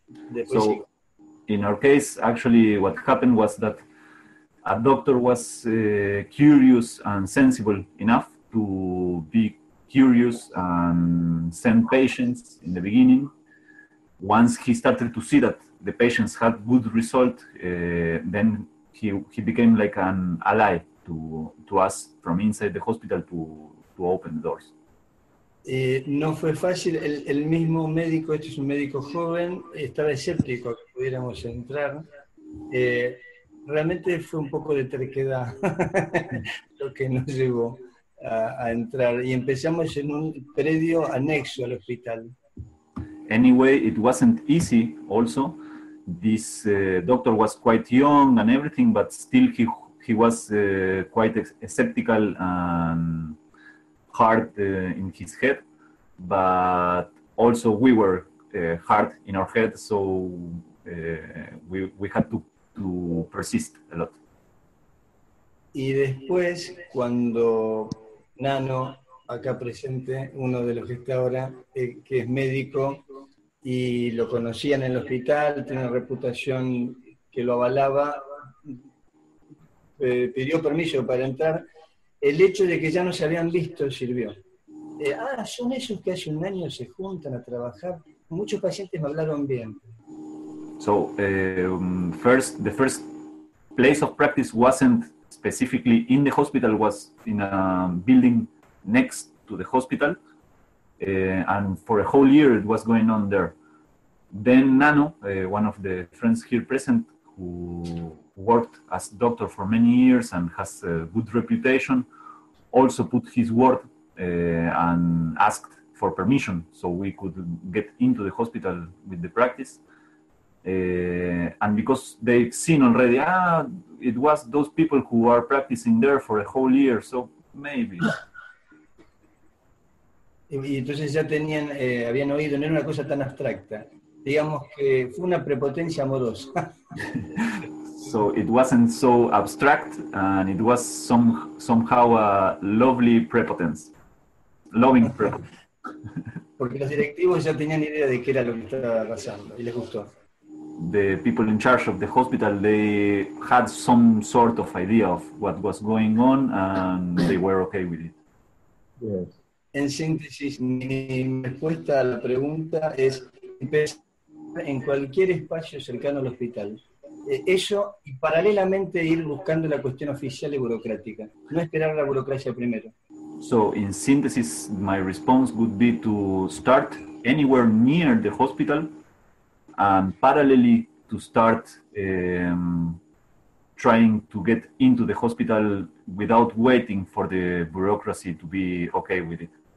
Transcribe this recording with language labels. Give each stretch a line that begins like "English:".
Spanish: Después,
English: so, in our case, actually, what happened was that a doctor was curious and sensible enough to be curious and send patients in the beginning. Once he started to see that the patients had good results, then he became like an ally to us from inside the hospital to open the doors.
Spanish: No fue fácil. El mismo médico, este es un médico joven, estaba escéptico que pudiéramos entrar. Realmente fue un poco de terquedad lo que nos llevó a entrar. Y empezamos en un predio anexo al hospital.
English: Anyway, it wasn't easy also. This doctor was quite young and everything, but still he was quite skeptical and hard in his head, but also we were hard in our head, so we had to persist a lot.
Spanish: Y después, cuando Nano, acá presente, uno de los que está ahora, que es médico, y lo conocían en el hospital, tiene una reputación que lo avalaba, pidió permiso para entrar, el hecho de que ya no se habían visto sirvió. Son esos que hace un año se juntan a trabajar. Muchos pacientes me hablaron bien.
English: So, the first place of practice wasn't specifically in the hospital, was in a building next to the hospital. And for a whole year it was going on there. Then Nano, one of the friends here present, who worked as doctor for many years and has a good reputation, also put his word and asked for permission so we could get into the hospital with the practice. And because they've seen already, it was those people who are practicing there for a whole year, so maybe.
Spanish: Y entonces ya tenían, habían oído, no era una cosa tan abstracta. Digamos que fue una prepotencia amorosa.
English: So it wasn't so abstract, and it was somehow a lovely prepotence. Loving prepotence.
Spanish: Porque los directivos ya tenían idea de qué era lo que estaba pasando, y les gustó.
English: The people in charge of the hospital, they had some sort of idea of what was going on, and they were okay with it. Yes.
Spanish: En síntesis, mi respuesta a la pregunta es empezar en cualquier espacio cercano al hospital. Eso, y paralelamente ir buscando la cuestión oficial y burocrática. No esperar la burocracia primero.
English: So, in synthesis, my response would be to start anywhere near the hospital and parallelly to start trying to get into the hospital without waiting for the bureaucracy to be okay with it.